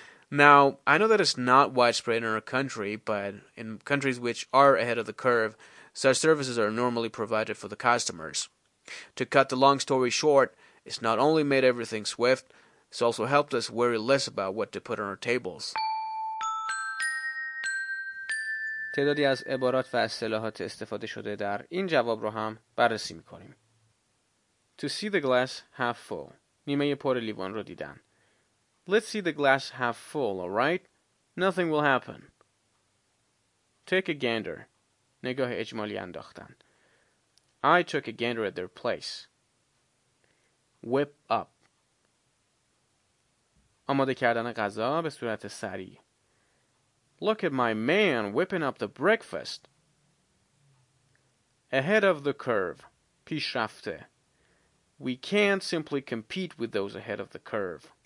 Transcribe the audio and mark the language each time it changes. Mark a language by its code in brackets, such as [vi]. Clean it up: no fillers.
[en] Now, I know that it's not widespread in our country, but in countries which are ahead of the curve, such services are normally provided for the customers. To cut the long story short, it's not only made everything swift, it's also helped us worry less about what to put on our tables. [fa] تعدادی از عبارات و اصطلاحات استفاده شده در این جواب رو هم بررسی می‌کنیم. [en] To see the glass half full. [fa] نیمه پر لیوان رو دیدن. [en] Let's see the glass half full, all right? Nothing will happen. Take a gander. [fa] نگاه اجمالی انداختن. [en] I took a gander at their place. Whip up. [fa] آماده کردن غذا به صورت سریع. [en] Look at my man whipping up the breakfast. Ahead of the curve. [fa] پیشرفته. [en] We can't simply compete with those ahead of the curve.